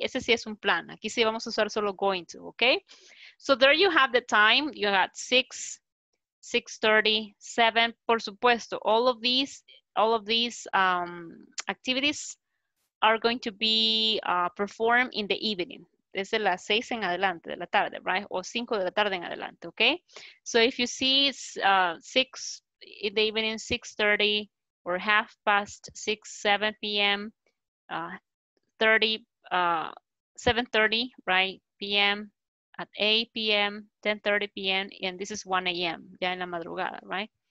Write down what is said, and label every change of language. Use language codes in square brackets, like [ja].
[es] Ese sí es un plan. Aquí sí vamos a usar solo [en] going to, okay? So there you have the time. You got 6:30, 7, [es] por supuesto. [en] All of these activities are going to be performed in the evening. [es] Desde las 6 en adelante de la tarde, right? O 5 de la tarde en adelante, okay? [en] So if you see it's 6 in the evening, 6:30 or half past 6, 7 p.m., 7:30, right? P.m. at 8 p.m., 10:30 p.m., and this is 1 a.m., [es] ya en la madrugada, [en] right?